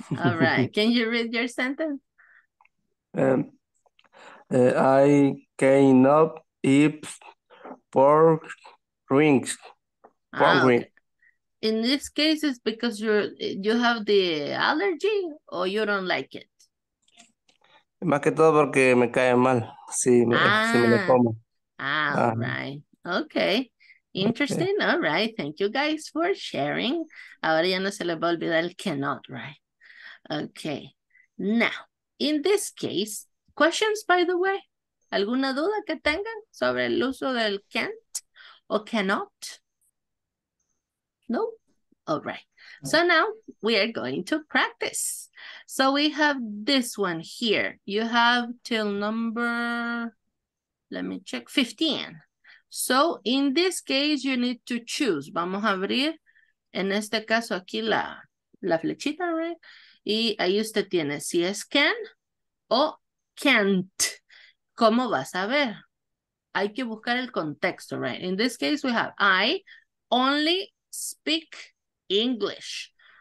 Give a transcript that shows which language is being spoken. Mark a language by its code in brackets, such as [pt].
[en] All right, can you read your sentence? I cannot eat pork rings. In this case, it's because you have the allergy or you don't like it? [es] Más que todo porque me cae mal, si me lo como. [en] All right. Okay. Interesting. Okay. All right. Thank you guys for sharing. [es] Ahora ya no se le va a olvidar el cannot, [en] right? Okay. Now, in this case, questions, by the way, [es] ¿alguna duda que tengan sobre el uso del can't o cannot? [en] No? All right. So now we are going to practice. So we have this one here. You have till number, let me check, 15. So in this case, you need to choose. [es] Vamos a abrir, en este caso aquí, la flechita, right? Y ahí usted tiene si es can o can't. ¿Cómo vas a ver? Hay que buscar el contexto, right? [en] In this case, we have I only speak English.